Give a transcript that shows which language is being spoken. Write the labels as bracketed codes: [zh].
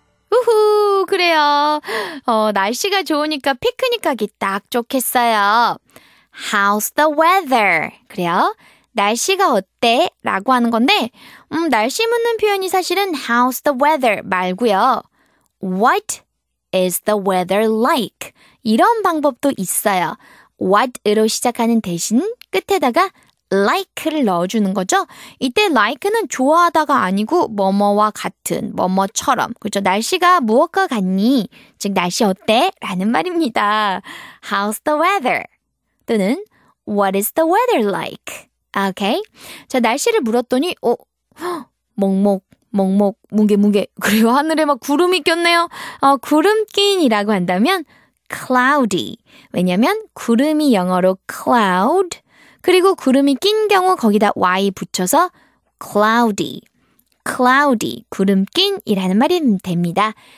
[ko] 우후, 그래요. 날씨가 좋으니까 피크닉 가기 딱 좋겠어요. [en] How's the weather? [ko] 그래요. 날씨가 어때? 라고 하는 건데 날씨 묻는 표현이 사실은 [en] How's the weather? [ko] 말고요. [en] What is the weather like? [ko] 이런 방법도 있어요. What으로 시작하는 대신 끝에다가 like를 넣어주는 거죠. 이때 like는 좋아하다가 아니고 뭐뭐와 같은, 뭐뭐처럼. 그렇죠? 날씨가 무엇과 같니? 즉, 날씨 어때? 라는 말입니다. [en] How's the weather? 또는 What is the weather like? Okay? [ko] 자, 날씨를 물었더니 먹먹, 뭉게뭉게. 그리고 하늘에 막 구름이 꼈네요. 구름 낀이라고 한다면 cloudy. 왜냐면 구름이 영어로 cloud. 그리고 구름이 낀 경우 거기다 y 붙여서 cloudy, cloudy, 구름 낀이라는 말이 됩니다.